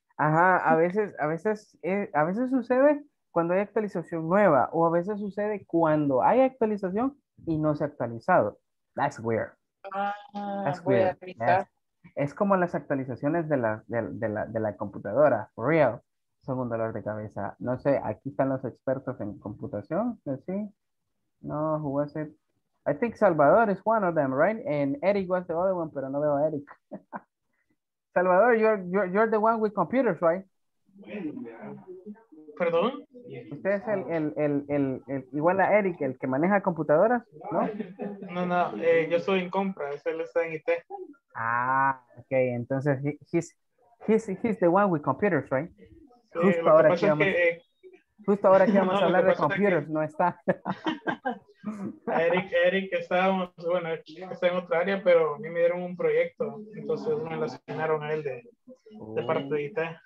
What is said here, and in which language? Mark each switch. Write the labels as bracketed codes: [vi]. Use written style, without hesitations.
[es] Ajá, a veces sucede cuando hay actualización nueva o a veces sucede cuando hay actualización y no se ha actualizado. [en] That's weird. That's weird. [es] Es como las actualizaciones de la computadora, [en] for real. [es] Son un dolor de cabeza. No sé, aquí están los expertos en computación. [en] ¿Sí? No, who was it? I think Salvador is one of them, right? And Eric was the other one, [es] pero no veo a Eric. [en] Salvador, you're the one with computers, right? [es] ¿Perdón? ¿Usted es el igual a Eric, el que maneja computadoras? No, no, yo soy en compras, él está en IT. [en] Ah, ok, entonces he's the one with computers, right? [es] Justo, ahora que, justo ahora que vamos a hablar de computers, no está. Eric, está en otra área, pero a mí me dieron un proyecto, entonces me lo asignaron a él de parte de IT.